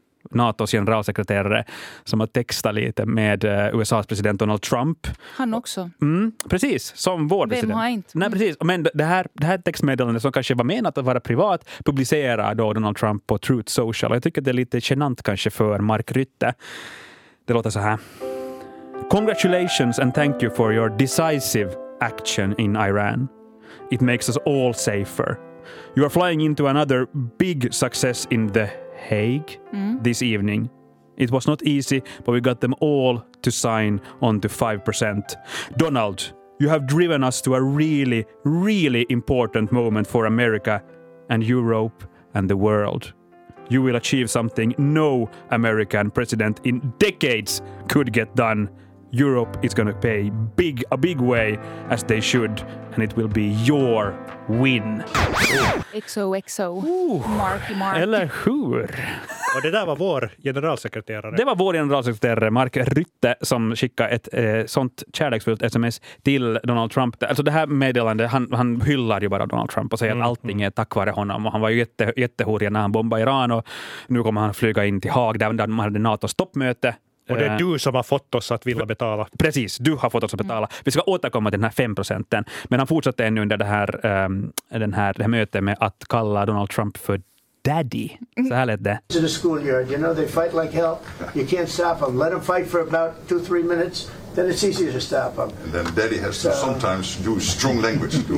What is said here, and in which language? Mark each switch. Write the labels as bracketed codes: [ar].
[sv] NATOs generalsekreterare som har textat lite med USAs president Donald Trump. Han också. Mm, precis, som vår Vem president. Vem har inte? Nej, precis. Men det här textmeddelandet som kanske var menat att vara privat publicerar då Donald Trump på Truth Social. Jag tycker att det är lite genant kanske för Mark Rutte. Det låter så här. [en] Congratulations and thank you for your decisive action in Iran. It makes us all safer. You are flying into another big success in The Hague this evening. It was not easy, but we got them all to sign on to 5%. Donald, you have driven us to a really, really important moment for America and Europe and the world. You will achieve something no American president in decades could get done. Europe is going to pay a big way as they should, and it will be your win. XOXO. Marky Mark. [sv] Eller hur? Och det där var vår generalsekreterare. Det var vår generalsekreterare Mark Rutte som skickade ett sånt kärleksfullt sms till Donald Trump. Alltså det här meddelandet, han hyllar ju bara Donald Trump och säger att allting är tack vare honom. Och han var ju jättehorig när han bombade Iran, och nu kommer han flyga in till Haag där man hade NATOs toppmöte. Och det är du som har fått oss att vilja betala. Precis, du har fått oss att betala. Vi ska återkomma till den här 5%. Men han fortsatte ännu under det här mötet med att kalla Donald Trump för daddy. Så här lät det. [en] In the schoolyard, you know, they fight like hell. You can't stop them. Let them fight for about 2-3 minutes. Then it's easier to stop them. And then daddy has to sometimes use strong language.